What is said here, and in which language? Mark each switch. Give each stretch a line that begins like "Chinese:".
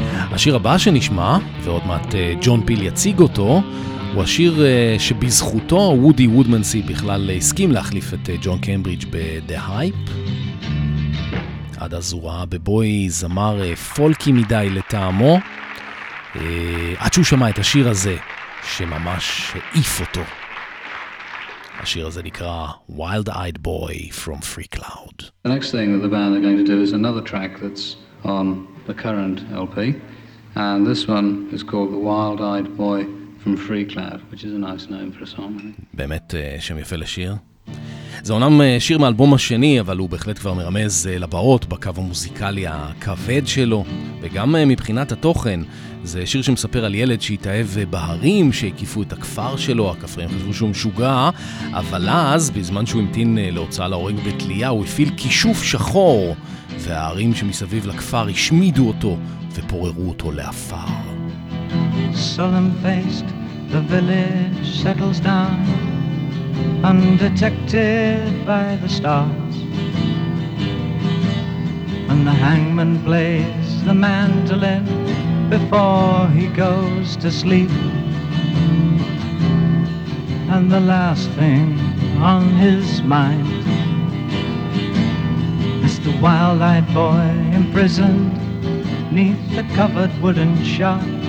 Hebrew: השיר הבא שנשמע, ועוד מעט ג'ון פיל יציג אותו, הוא השיר שבזכותו וודי וודמנסי בכלל הסכים להחליף את ג'ון קיימברידג' ב-The Hype. עד אז הוא ראה בבוי זמר פולקי מדי לטעמו, עד שהוא שמע את השיר הזה שממש העיף אותו. השיר הזה נקרא Wild Eyed Boy from Free Cloud.
English: The next thing that the band are going to do is another track that's on the current LP, and this one is called The Wild Eyed Boy from Free Cloud, which is a nice name for a song.
Hebrew: באמת שם יפה לשיר. זה אומנם שיר מאלבום השני, אבל הוא בהחלט כבר מרמז לבאות בקו המוזיקלי הכבד שלו, וגם מבחינת התוכן. זה שיר שמספר על ילד שהתאהב בהרים שהקיפו את הכפר שלו, הכפרים חשבו שהוא משוגע, אבל אז, בזמן שהוא המתין להוצאה להורג בתלייה, הוא הפעיל כישוף שחור, וההרים שמסביב לכפר השמידו אותו ופוררו אותו לאפר.
English: Solemn faced, the village settles down, undetected by the stars, and the hangman plays the mandolin before he goes to sleep, and the last thing on his mind is the wild-eyed boy imprisoned 'neath the covered wooden shop.